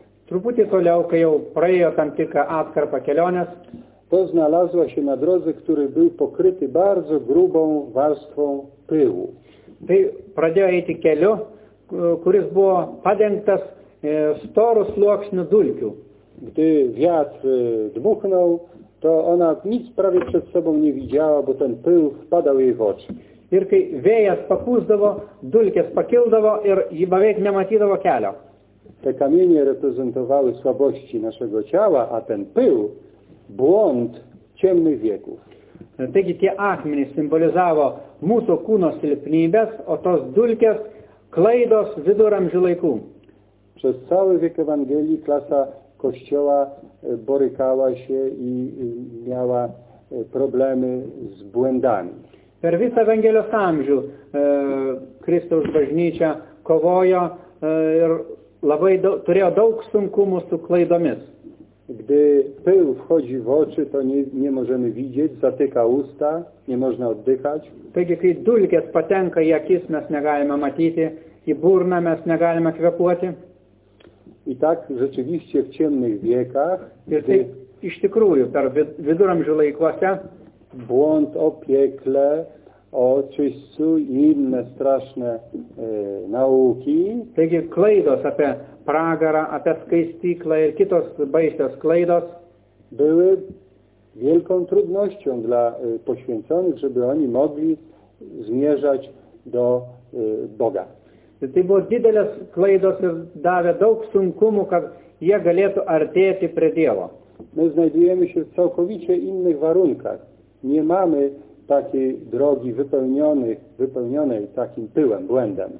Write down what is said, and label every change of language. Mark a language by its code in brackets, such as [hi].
[lt] truputį toliau, kai jau praėjo tam tikrą atkarpą kelionės, [pl] to znalazła się na drodze, który był pokryty bardzo grubą warstwą pyłu. [lt] Tai pradėjo eiti keliu, kuris buvo padengtas storu sluoksniu dulkių. [pl] Gdy wiatr dmuchnął, to ona nic prawie przed sobą nie widziała, bo ten pył wpadał jej w oczy. [lt] Ir kai vėjas papūsdavo, dulkės pakildavo ir ji beveik nematydavo kelio. [pl] Te kamienie reprezentowały słabości naszego ciała, a ten pył błąd ciemnych wieków. [lt] Taigi tie akmenys simbolizavo mūsų kūno silpnybės, o tos dulkės klaidos viduramžių laikų. [pl] Przez cały wiek Ewangelii klasa kościoła borykała się i miała problemy z błędami. [lt] Per visą Evangelijos amžių Kristaus bažnyčia kovojo ir labai turėjo daug sunkumų su klaidomis. [pl] Gdy pył wchodzi w oczy, to nie możemy widzieć, zatyka usta, nie można oddychać. [lt] Taigi, kai dulkės patenka į akis, mes negalime matyti, į burną mes negalime kvėpuoti. [pl] I tak rzeczywiście w ciemnych wiekach, [lt] iš tikrųjų, per viduramžių laikuose, [pl] błąd o piekle, o czyściu i inne straszne nauki. [lt] Taigi, klaidos apie pragarą, apie skaistyklą ir kitos baisios klaidos [pl] były wielką trudnością dla poświęconych, żeby oni mogli zmierzać do Boga. [lt] Tai buvo didelės klaidos ir davė daug sunkumų, kad jie galėtų artėti prie Dievo. [pl] My znajdujemy się w całkowicie innych warunkach. Nie mamy takiej drogi wypełnionej takim pyłem, błędem.